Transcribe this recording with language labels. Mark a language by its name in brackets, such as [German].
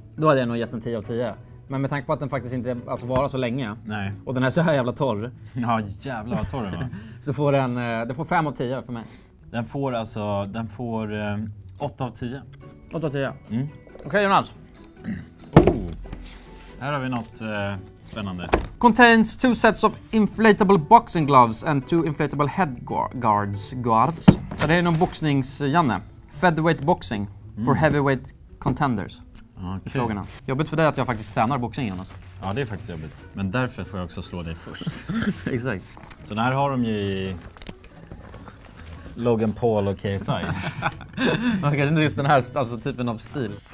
[Swedish] Då hade jag nog gett en 10 av 10. Men med tanke på att den faktiskt inte alltså varar så länge. Nej. Och den är så här jävla torr. Ja, jävla torr den var. Så får den, den får 5 av 10 för mig. Den får alltså, den får 8 av 10. 8 av 10. Mm. Okej, Jonas. Oh. Här har vi något spännande. [English] Contains 2 sets of inflatable boxing gloves and 2 inflatable head guards. [Swedish] Så det är någon boxningsjanne. [English] Featherweight boxing for heavyweight contenders. Okay. [Swedish] I frågorna. Jobbigt för dig att jag faktiskt tränar boxning, Jonas. Ja, det är faktiskt jobbigt. Men därför får jag också slå dig först. Exakt. Så den här har de ju i Logan Paul och KSI. Man kanske inte just den här alltså, typen av stil.